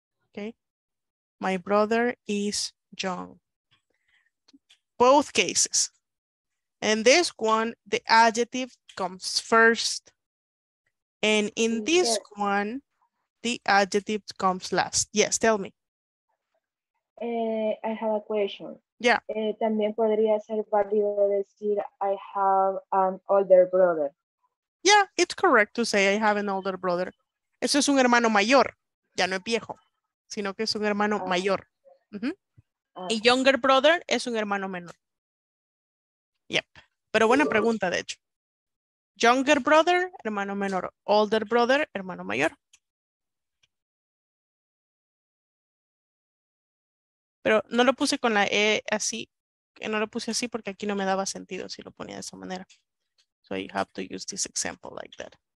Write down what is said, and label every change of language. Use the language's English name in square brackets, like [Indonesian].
[English] Okay. My brother is young. Both cases. In this one, the adjective comes first. And in this one, the adjective comes last. Yes, tell me. I have a question. Yeah. [Spanish] También podría ser válido decir [English] I have an older brother. Yeah, it's correct to say I have an older brother. [Spanish] Eso es un hermano mayor. Ya no es viejo, sino que es un hermano mayor. Uh-huh. Y [English] younger brother [Spanish] es un hermano menor. Yep. Pero buena pregunta, de hecho. [English] Younger brother, [Spanish] hermano menor. [English] Older brother, [Spanish] hermano mayor. Pero no lo puse con la E así, no lo puse así porque aquí no me daba sentido si lo ponía de esa manera. [English] So you have to use this example like that.